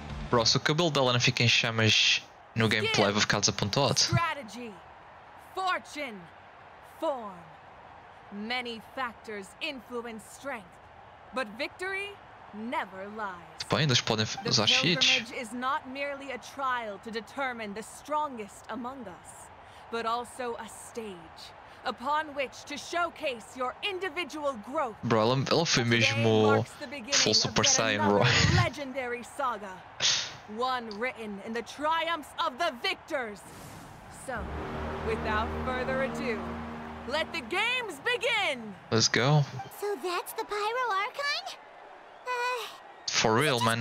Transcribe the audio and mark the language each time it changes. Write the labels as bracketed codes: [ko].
[pt] Bro, se o cabelo dela não fica em chamas no gameplay, vou ficar desapontado. [en] Strategy, fortune, form. Many factors influence strength, but victory never lies. [pt] Depois ainda podem usar cheats. [en] The pilgrimage is not merely a trial to determine the strongest among us, but also a stage upon which to showcase your individual growth. [pt] Bro, ela foi mesmo full Super Saiyan, bro. [en] Legendary saga, one written in the triumphs of the victors. So, without further ado, let the games begin. Let's go. So that's the Pyro Archon? For real, man.